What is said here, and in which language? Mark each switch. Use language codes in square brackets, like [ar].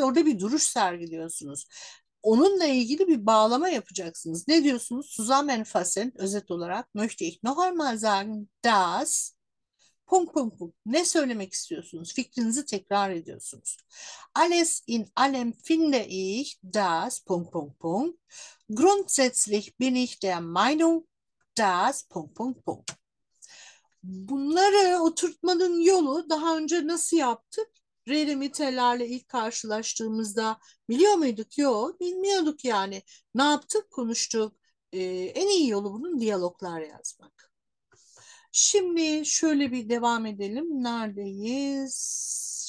[tr] Orada bir duruş sergiliyorsunuz. Onunla ilgili bir bağlama yapacaksınız. Ne diyorsunuz? [de] Zusammenfassen [tr] özet olarak [de] möchte ich nochmal sagen das punk punk punk. [tr] Ne söylemek istiyorsunuz? Fikrinizi tekrar ediyorsunuz. [de] Alles in allem finde ich das punk punk punk. Grundsätzlich bin ich der Meinung das punk punk punk. [tr] Bunları oturtmanın yolu daha önce nasıl yaptık? Rerimitelerle ilk karşılaştığımızda biliyor muyduk? Yok, bilmiyorduk yani. Ne yaptık? Konuştuk. En iyi yolu bunun diyaloglar yazmak. Şimdi şöyle bir devam edelim. Neredeyiz?